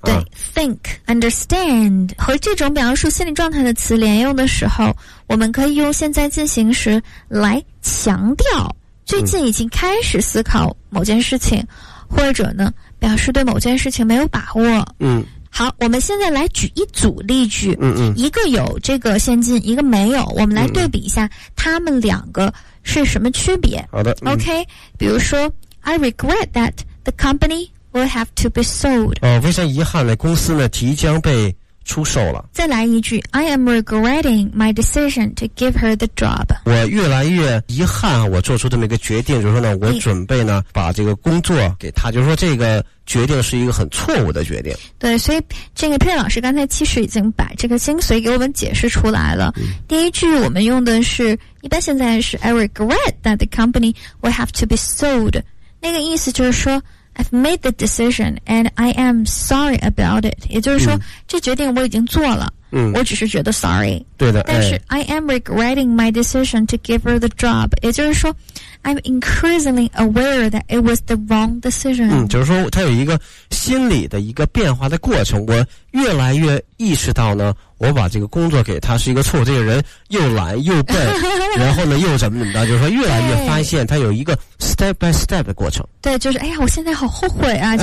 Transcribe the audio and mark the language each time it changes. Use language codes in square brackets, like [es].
[zh] 对 think, understand, 和这种描述心理状态的词连用的时候，我们可以用现在进行时来强调最近已经开始思考某件事情，或者呢表示对某件事情没有把握。好，我们现在来举一组例句。一个有这个现进，一个没有，我们来对比一下他们两个是什么区别。好的。 [en] OK, [zh] 比如说 [en] I regret that the company will have to be sold。 [zh] 非常遗憾的公司呢即将被出售了。再来一句， [en] I am regretting my decision to give her the job。 [zh] 我越来越遗憾我做出这么一个决定，就是说呢我准备呢把这个工作给她，就是说这个决定是一个很错误的决定。对，所以这个佩老师刚才其实已经把这个精髓给我们解释出来了。第一句我们用的是一般现在是 [en] I regret that the company will have to be sold, 那个意思就是说I've made the decision and I am sorry about it, [zh] 也就是说这决定我已经做了，我只是觉得 [en] sorry。 [zh] 对的， [en] 但是 I am regretting my decision to give her the job, [zh] 也就是说 [en] I'm increasingly aware that it was the wrong decision。 [zh] 就是说它有一个心理的一个变化的过程，我越来越意识到呢我把这个工作给他，是一个错误。这个人又懒又笨，然后呢又怎么怎么着，就是说越来越发现他有一个 [en] step by step [zh] 的过程。对，就是哎呀，我现在好后悔啊，就